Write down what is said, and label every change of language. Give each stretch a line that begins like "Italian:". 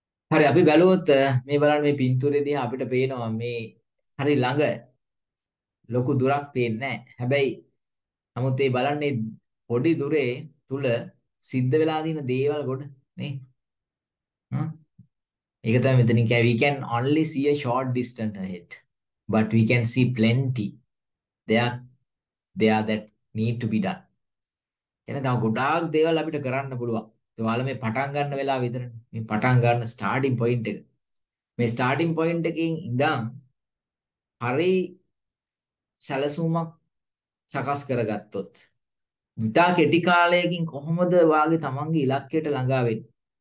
Sinhala: හරි අපි බැලුවොත් මේ බලන්න මේ පින්තූරේදී අපිට පේනවා මේ හරි ළඟ ලොකු දුරක් පේන්නේ නැහැ. හැබැයි නමුත් මේ බලන්නේ පොඩි දුරේ තුල සිද්ධ වෙලා තියෙන දේවල් ගොඩ නේ. ඒක තමයි මෙතන කියන්නේ
English: we can only see a short distance ahead but we can see plenty there that need to be done.
Sinhala: එහෙනම් තව ගොඩාක් දේවල් අපිට කරන්න පුළුවන්. ඔයාලා මේ පටන් ගන්න වෙලාව විතරනේ. මේ පටන් ගන්න starting point එක. මේ starting point එකෙන් ඉඳන් හරි සැලසුමක් සකස් කරගත්තොත් ඉතා කෙටි කාලයකින් කොහොමද වාගේ තමන්ගේ ඉලක්කයට ළඟා වෙන්නේ?